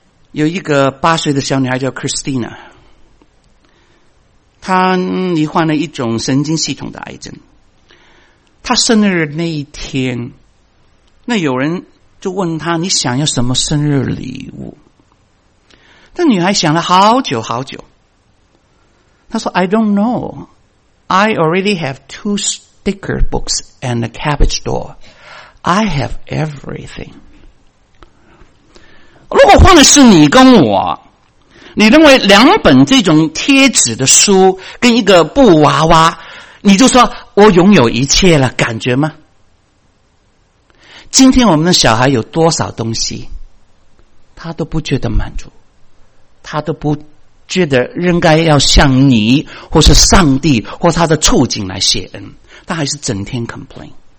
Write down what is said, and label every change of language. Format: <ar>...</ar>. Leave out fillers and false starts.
<zh>有一个8岁的小女孩叫 Christina， 她罹患了一种神经系统的癌症。她生日那一天，那有人就问她：“你想要什么生日礼物？” 那女孩想了好久好久，她说</zh> <en>I don't know, I already have 2 sticker books and a cabbage door, I have everything。</en> <zh>如果换的是你跟我，你认为两本这种贴纸的书跟一个布娃娃，你就说我拥有一切了，感觉吗？今天我们的小孩有多少东西他都不觉得满足，他都不觉得应该要向你或是上帝或他的处境来谢恩，他还是整天 complain。</zh>